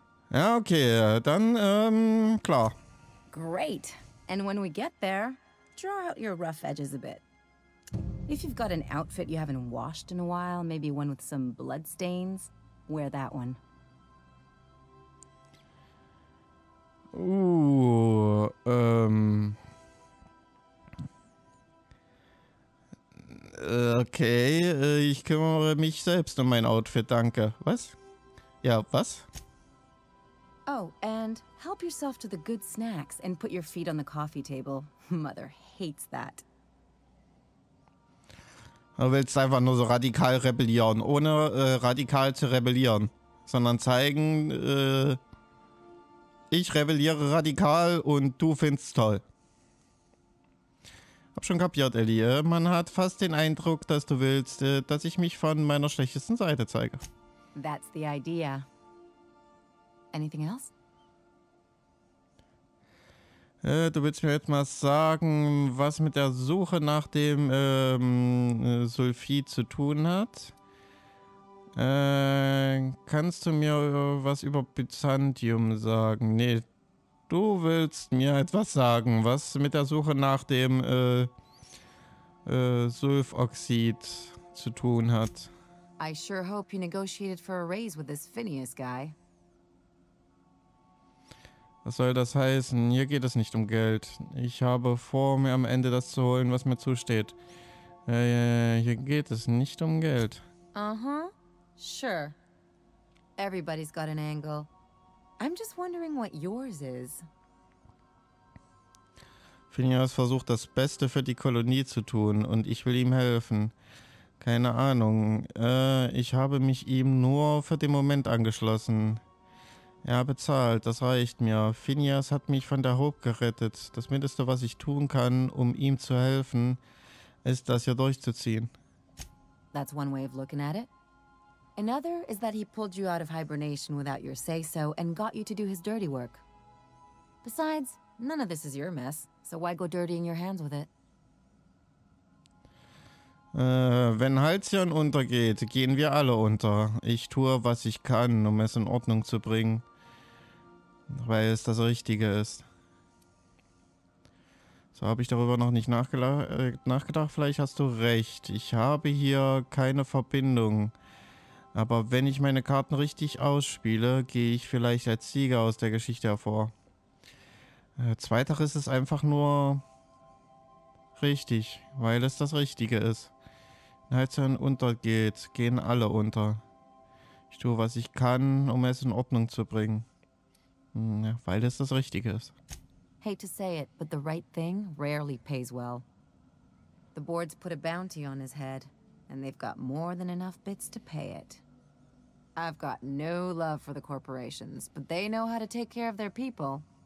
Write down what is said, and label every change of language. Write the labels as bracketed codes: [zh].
[de] Ja, okay, dann klar. [en] Great. And when we get there, draw out your rough edges a bit. If you've got an outfit you haven't washed in a while, maybe one with some blood stains, wear that one. [de] Okay, ich kümmere mich selbst um mein Outfit, danke. Was? Ja, was? [en] Oh, and help yourself to the good snacks and put your feet on the coffee table. Mother hates that. [de] Du willst einfach nur so radikal rebellieren, ohne radikal zu rebellieren, sondern zeigen, ich rebelliere radikal und du findest toll. Hab schon kapiert, Ellie. Man hat fast den Eindruck, dass du willst, dass ich mich von meiner schlechtesten Seite zeige. [en] That's the idea. Anything else? [de] Du willst mir jetzt mal sagen, was mit der Suche nach dem Sulfid zu tun hat. Kannst du mir was über Byzantium sagen? Nee, du willst mir etwas sagen, was mit der Suche nach dem Sulfoxid zu tun hat. [en] I sure hope you negotiated for a raise with this Phineas guy. [de] Was soll das heißen? Hier geht es nicht um Geld. Ich habe vor, mir am Ende das zu holen, was mir zusteht. Hier geht es nicht um Geld. [en] Uh-huh. Sure. Everybody's got an angle. I'm just wondering what yours is. [de] Phineas versucht, das Beste für die Kolonie zu tun und ich will ihm helfen. Keine Ahnung. Ich habe mich ihm nur für den Moment angeschlossen. Er bezahlt, das reicht mir. Phineas hat mich von der Hope gerettet. Das Mindeste, was ich tun kann, um ihm zu helfen, ist, das hier durchzuziehen. [en] That's one way of looking at it. Another is that he pulled you out of hibernation without your say-so and got you to do his dirty work. Besides, none of this is your mess, so why go dirtying your hands with it? [de] Wenn Halcyon untergeht, gehen wir alle unter. Ich tue, was ich kann, um es in Ordnung zu bringen, weil es das Richtige ist. So habe ich darüber noch nicht nachgedacht. Vielleicht hast du recht. Ich habe hier keine Verbindung. Aber wenn ich meine Karten richtig ausspiele, gehe ich vielleicht als Sieger aus der Geschichte hervor. Zweiteres ist es einfach nur richtig, weil es das Richtige ist. Wenn Halcyon untergeht, gehen alle unter. Ich tue, was ich kann, um es in Ordnung zu bringen. Ja, weil es das Richtige ist. [en] Hate to say it, but the right thing rarely pays well. The boards put a bounty on his head, and they've got more than enough bits to pay it. I've got no love for the corporations, but they know how to take care of their people.